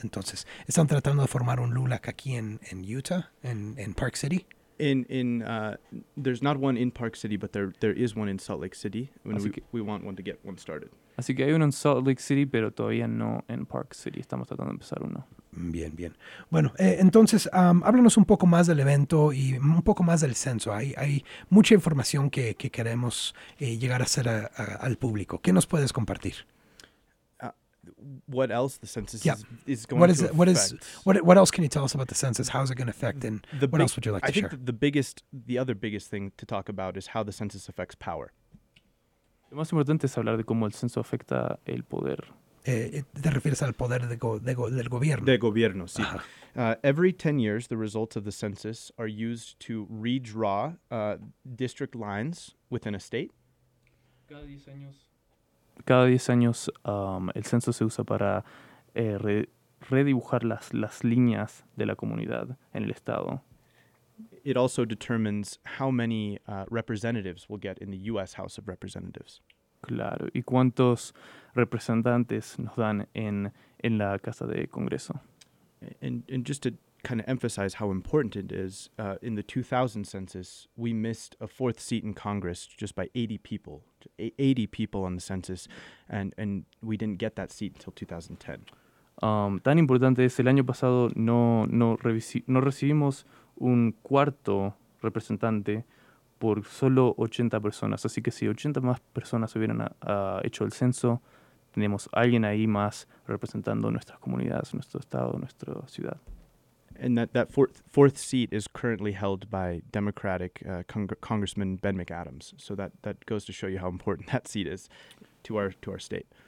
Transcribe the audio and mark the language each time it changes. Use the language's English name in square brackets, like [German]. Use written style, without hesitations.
[Spanish] Entonces, están tratando de formar un LULAC aquí en Utah, en Park City. [English] There's not one in Park City, but there is one in Salt Lake City. We want one to get one started. [Spanish] Así que hay uno en Salt Lake City, pero todavía no en Park City. Estamos tratando de empezar uno. Bien, bien. Bueno, entonces, háblanos un poco más del evento y un poco más del censo. Hay mucha información que queremos llegar a hacer al público. ¿Qué nos puedes compartir? [English] What else the census is going What else can you tell us about the census? How is it going to affect and what else would you like to share? I think the other biggest thing to talk about is how the census affects power. [Spanish] Lo más importante es hablar de cómo el censo afecta el poder. ¿Te refieres al poder del gobierno? De gobierno, sí. [English] Every 10 years, the results of the census are used to redraw district lines within a state. [Spanish] Cada 10 años el censo se usa para redibujar las líneas de la comunidad en el estado. [English] It also determines how many representatives we'll get in the U.S. House of Representatives. [Spanish] Claro, y cuántos representantes nos dan en la Casa de Congreso. [English] And just to kind of emphasize how important it is, in the 2000 census, we missed a fourth seat in Congress just by 80 people. 80 people on the census, and we didn't get that seat until 2010. [Spanish] Tan importante es, el año pasado no recibimos un cuarto representante por solo 80 personas. Así que si 80 más personas hubieran hecho el censo, tenemos alguien ahí más representando nuestras comunidades, nuestro estado, nuestra ciudad. [English] And that fourth seat is currently held by Democratic Congressman Ben McAdams. So that goes to show you how important that seat is to our state.